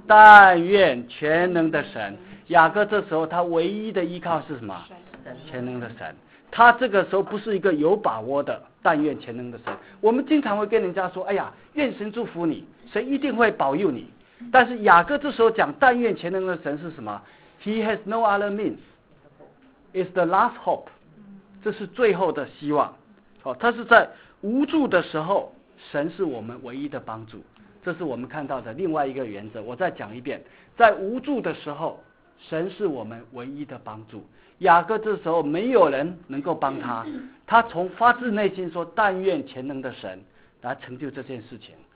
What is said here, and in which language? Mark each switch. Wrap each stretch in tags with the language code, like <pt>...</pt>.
<zh>但愿全能的神，雅各这时候他唯一的依靠是什么？全能的神。他这个时候不是一个有把握的但愿全能的神。我们经常会跟人家说，哎呀，愿神祝福你，神一定会保佑你。但是雅各这时候讲但愿全能的神是什么？</zh> <en>He has no other means, it's the last hope,</en> <zh>这是最后的希望。好，他是在无助的时候，神是我们唯一的帮助，这是我们看到的另外一个原则。我再讲一遍，在无助的时候，神是我们唯一的帮助。雅各这时候没有人能够帮他，他从发自内心说但愿全能的神来成就这件事情。</zh>